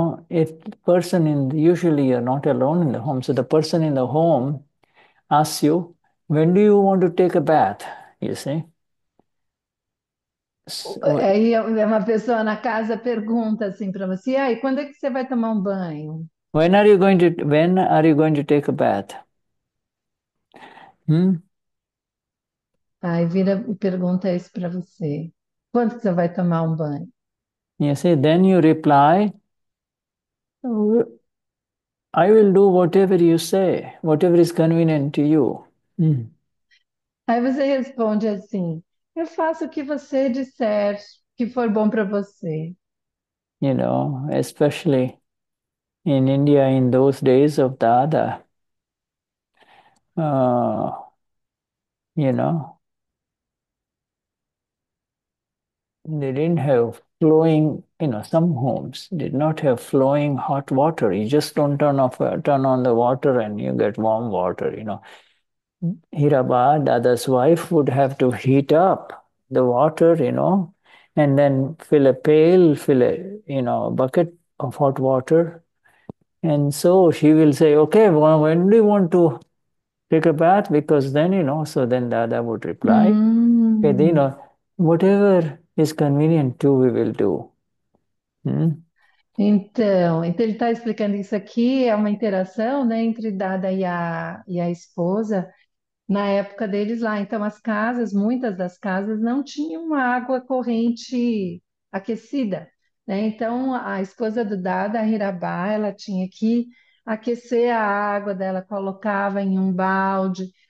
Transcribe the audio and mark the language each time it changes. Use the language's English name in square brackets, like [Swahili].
[English] If person in usually you're not alone in the home, so the person in the home asks you, when do you want to take a bath? You see? So, [Portuguese] Aí uma pessoa na casa pergunta assim para você: aí, quando é que você vai tomar um banho? [English] when are you going to take a bath? [Portuguese] Aí vira e pergunta isso para você: quando que você vai tomar um banho? [English] You see, then you reply, I will do whatever you say, whatever is convenient to you. [Portuguese] Aí você responde assim: eu faço o que você disser que for bom para você. [English] Especially in India, in those days of Dada, they didn't have flowing, some homes did not have flowing hot water. You just don't turn on the water and you get warm water. Hirabha, Dada's wife, would have to heat up the water, and then fill a pail, fill a, a bucket of hot water. And so she will say, okay, well, when do you want to take a bath? Because then, so then Dada would reply, okay, whatever is convenient too, we will do. [Portuguese] Então, ele está explicando isso aqui, é uma interação, né, entre Dada e a esposa na época deles lá. Então, as casas, muitas das casas, não tinham água corrente aquecida, né? Então, a esposa do Dada, a Hirabá, ela tinha que aquecer a água dela, colocava em um balde.